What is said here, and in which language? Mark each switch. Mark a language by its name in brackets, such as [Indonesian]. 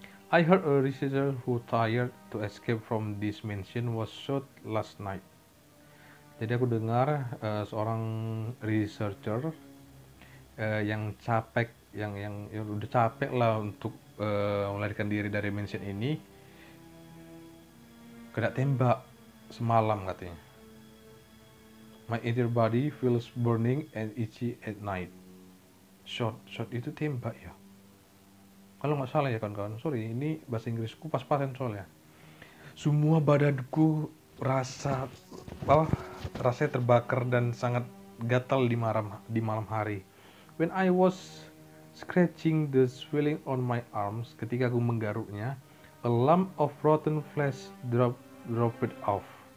[English] I heard a researcher who tried to escape from this mansion was shot last night. [Indonesian] Jadi aku dengar seorang researcher yang udah capek lah untuk melarikan diri dari mansion ini kena tembak semalam katanya. [English] My inner body feels burning and itchy at night. [Indonesian] Shot itu tembak ya. Kalau nggak salah ya kawan-kawan, sorry, ini bahasa Inggrisku pas-pasan soalnya. Semua badanku rasanya terbakar dan sangat gatal di malam hari. [English] When I was scratching the swelling on my arms, [Indonesian] ketika aku menggaruknya, [English] a lump of rotten flesh dropped off.